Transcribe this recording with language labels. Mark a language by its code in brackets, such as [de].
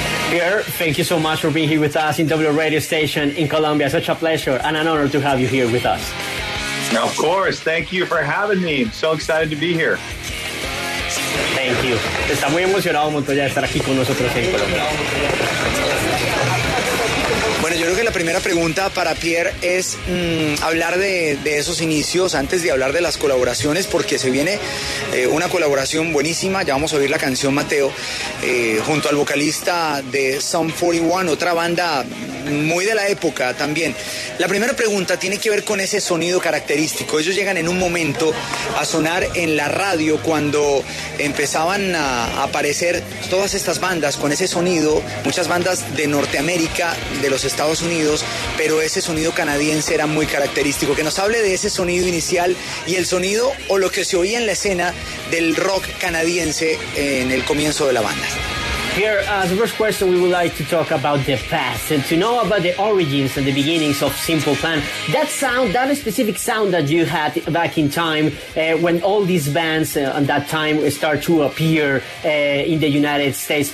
[en] Pierre, thank you so much for being here with us in W Radio Station in Colombia. Such a pleasure and an honor to have you here with us. Now, of course, thank you for having me. I'm so excited to be here. Thank you. [es] Está muy emocionado Montoya estar aquí con nosotros en Colombia. Bueno, yo creo que la primera pregunta para Pierre es hablar de esos inicios antes de hablar de las colaboraciones, porque se viene una colaboración buenísima. Ya vamos a oír la canción, Mateo, junto al vocalista de Sum 41, otra banda muy de la época también. La primera pregunta tiene que ver con ese sonido característico. Ellos llegan en un momento a sonar en la radio cuando empezaban a aparecer todas estas bandas con ese sonido, muchas bandas de Norteamérica, de los Estados Unidos, pero ese sonido canadiense era muy característico. Que nos hable de ese sonido inicial y el sonido o lo que se oía en la escena del rock canadiense en el comienzo de la banda. [en] Here, the first question, we would like to talk about the past and to know about the origins and the beginnings of Simple Plan. That sound, that specific sound that you had back in time when all these bands at that time start to appear in the United States.